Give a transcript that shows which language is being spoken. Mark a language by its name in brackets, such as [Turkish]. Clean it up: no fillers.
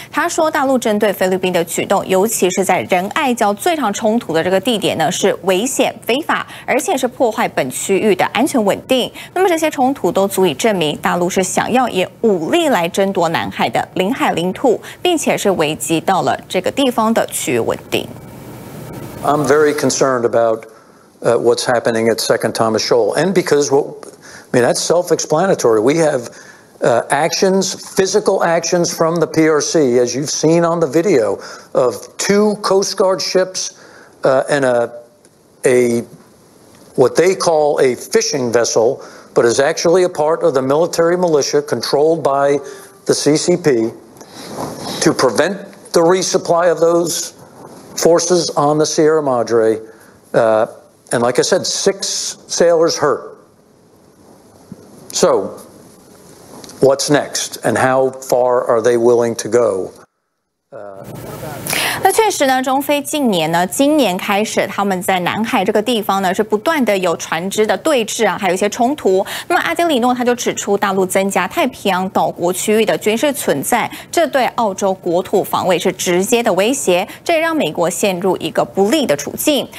[Chinese] 他说大陆针对菲律宾的举动，尤其是在仁爱礁最常冲突的这个地点呢，是危险非法，而且是破坏本区域的安全稳定。那么这些冲突都足以证明大陆是想要以武力来争夺南海的领海领土，并且是危及到了这个地方的区域稳定。 [English] I'm very concerned about what's happening at Second Thomas Shoal, and because what I mean that's self-explanatory. We have actions, physical actions from the PRC, as you've seen on the video of two Coast Guard ships and a what they call a fishing vessel, but is actually a part of the military militia controlled by. The CCP to prevent the resupply of those forces on the Sierra Madre. And like I said, 6 sailors hurt. So, what's next and how far are they willing to go? [Chinese] 那确实呢，中非近年呢，今年开始他们在南海这个地方呢，是不断的有船只的对峙啊，还有一些冲突。那么阿基里诺他就指出，大陆增加太平洋岛国区域的军事存在，这对澳洲国土防卫是直接的威胁，这也让美国陷入一个不利的处境。